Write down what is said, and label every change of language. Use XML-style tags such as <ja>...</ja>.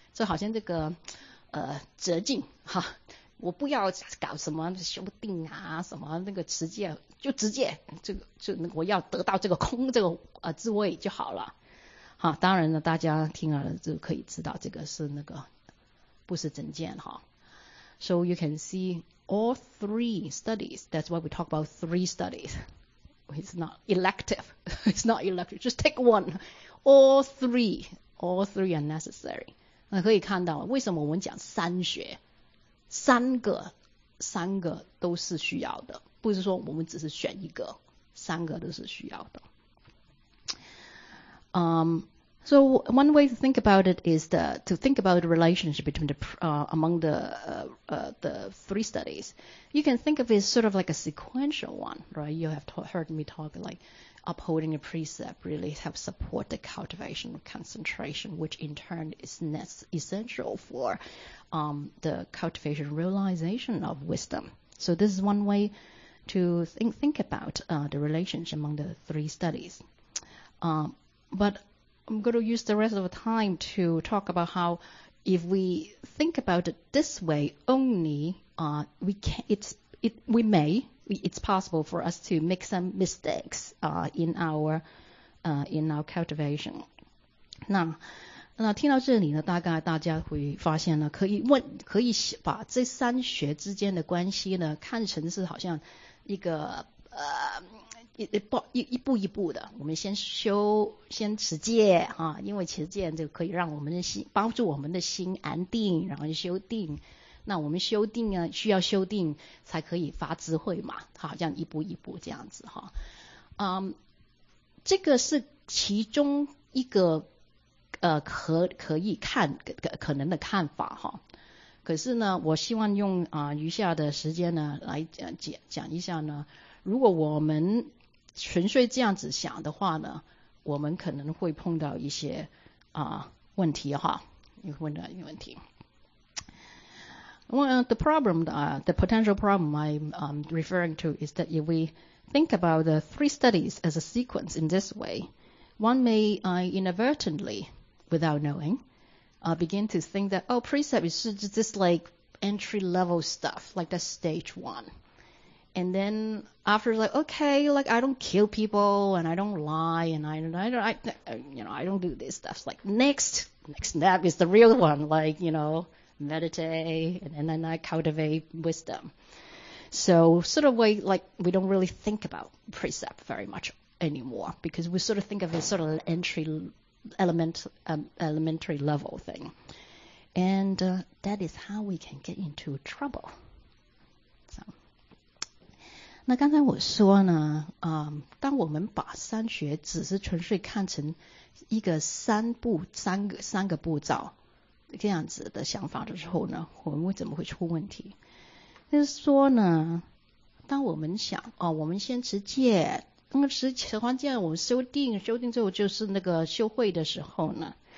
<zh>这好像这个折进哈，我不要搞什么修定啊什么那个持戒，就直接就我要得到这个空这个智慧就好了哈。当然呢，大家听了就可以知道这个是那个不是真见哈。</zh> <en>So you can see all three studies, that's why we talk about three studies. It's not elective, it's not elective, just take one. All three are necessary.</en> <zh>那可以看到为什么我们讲三学，三个都是需要的，不是说我们只是选一个，三个都是需要的。</zh> <en>So one way to think about it is to think about the relationship between among the three studies. You can think of it sort of like a sequential one, right? You have heard me talk like upholding a precept really helps support the cultivation of concentration, which in turn is essential for the cultivation realization of wisdom. So this is one way to think about the relationship among the three studies. But I'm going to use the rest of the time to talk about how if we think about it this way only, it's possible for us to make some mistakes in our cultivation.</en> <zh>那听到这里呢，大概大家会发现呢，可以把这三学之间的关系呢看成是好像一个一步一步的，我们先持戒啊，因为持戒就可以让我们的心帮助我们的心安定，然后修定。那我们修定啊，需要修定才可以发智慧嘛，好像一步一步这样子哈。这个是其中一个可以看可能的看法哈。可是呢，我希望用余下的时间呢来讲一下呢，如果我们纯粹这样子想的话呢，我们可能会碰到一些问题哈，你会问到一些问题。</zh> <en>Well, the problem, the potential problem I'm referring to is that if we think about the three studies as a sequence in this way, one may inadvertently, without knowing, begin to think that, oh, precept is just like entry-level stuff, like that's stage one. And then after, like, okay, like, I don't kill people, and I don't lie, and I don't do this stuff. Like, next step is the real one, like, you know,meditate, and then I cultivate wisdom. So sort of way, like, we don't really think about precept very much anymore, because we sort of think of it sort of an elementary level thing. And that is how we can get into trouble.</en> <zh>So, 那刚才我说呢，当我们把三学只是纯粹看成一个三步三个步骤这样子的想法的时候呢，我们怎么会出问题？就是说呢，当我们想哦，我们先持戒，那么持环戒我们修定之后就是那个修慧的时候呢，</zh>